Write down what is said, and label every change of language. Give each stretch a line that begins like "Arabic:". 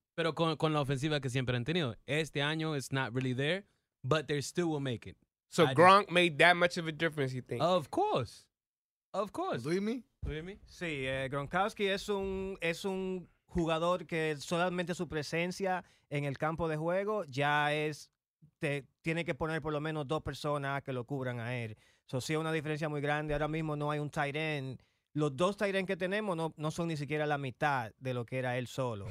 Spanish: Pero con la ofensiva que siempre han tenido. Este año,
English: it's not really there, but they still will make it. So Gronk made that much of a difference, you think? Of course. Of course. Luimi? Luimi?
Spanish: Sí, Gronkowski es un jugador que solamente su presencia en el campo de juego ya es... tiene que poner por lo menos dos personas que lo cubran a él. Eso sí es una diferencia muy grande. Ahora mismo no hay un tight end. Los dos tight end que tenemos no son ni siquiera la mitad de lo que era él solo.